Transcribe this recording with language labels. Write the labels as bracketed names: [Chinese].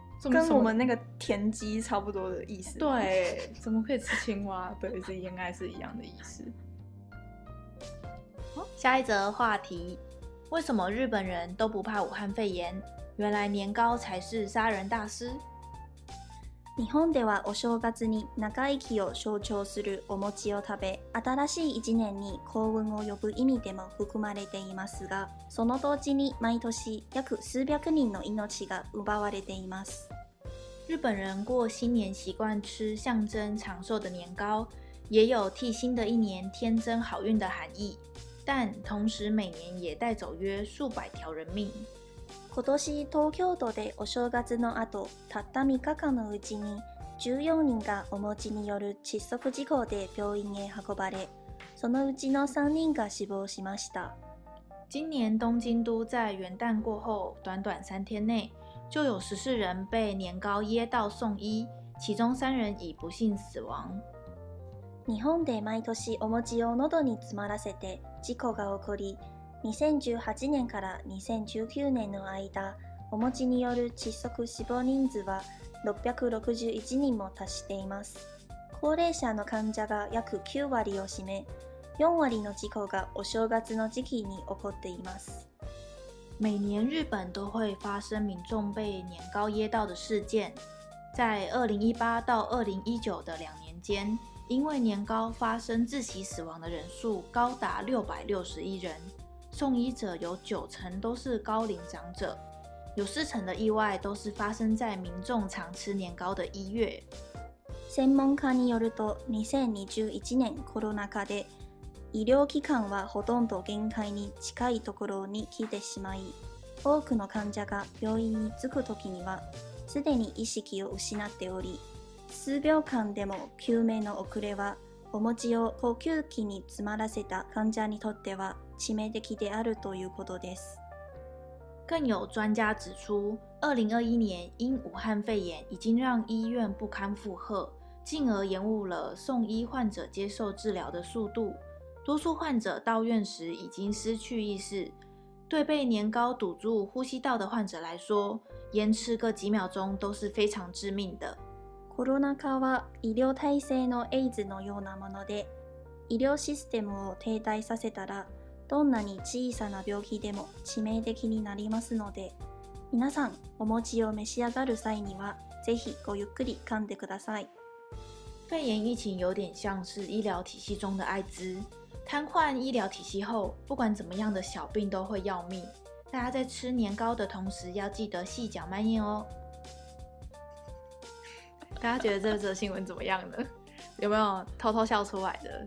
[Chinese] 跟我们那个田鸡差不多的意思。对，怎么可以吃青蛙？对，这应该是一样的意思。下一则话题，为什么日本人都不怕武汉肺炎？原来年糕才是杀人大师。 [Japanese] 日本ではお正月に長生きを象徴するお餅を食べ、新しい一年に幸運を呼ぶ意味でも含まれていますが、その同時に毎年約数百人の命が奪われています。 [Chinese] 日本人过新年习惯吃象征长寿的年糕，也有替新的一年添增好运的含义，但同时每年也带走约数百条人命。 [Japanese] 今年東京都でお正月の後、たった3日間のうちに14人がお餅による窒息事故で病院へ運ばれ、そのうちの3人が死亡しました。 [Chinese] 今年東京都在元旦过后短短3天内就有14人被年糕噎到送医、其中3人已不幸死亡。 [Japanese] 日本で毎年お餅を喉に詰まらせて事故が起こり、2018年から2019年の間、お餅による窒息死亡人数は661人も達しています。高齢者の患者が約9割を占め、4割の事故がお正月の時期に起こっています。 [Chinese] 每年日本都会发生民众被年糕噎到的事件，在2018到2019的两年间，因为年糕发生窒息死亡的人数高达661人，送医者有九成都是高龄长者，有四成的意外都是发生在民众常吃年糕的一月。 [Japanese] 専門家によると、2021年コロナ禍で医療機関はほとんど限界に近いところに来てしまい、多くの患者が病院に着くときにはすでに意識を失っており、数秒間でも救命の遅れはお餅を呼吸器に詰まらせた患者にとっては致命的であるということです。 [Chinese] 更有专家指出，2021年因武汉肺炎已经让医院不堪负荷，进而延误了送医患者接受治疗的速度。多数患者到院时已经失去意识，对被年糕堵住呼吸道的患者来说，延迟个几秒钟都是非常致命的。 [Japanese] コロナ禍は医療体制のエイズのようなもので、医療システムを停滞させたら、どんなに小さな病気でも致命的になりますので、皆さんお餅を召し上がる際にはぜひごゆっくり噛んでください。 [Chinese] 肺炎疫情有点像是医疗体系中的艾滋。瘫痪医疗体系后，不管怎么样的小病都会要命。大家在吃年糕的同时，要记得细嚼慢咽哦。大家觉得这则新闻怎么样呢？有没有偷偷笑出来的？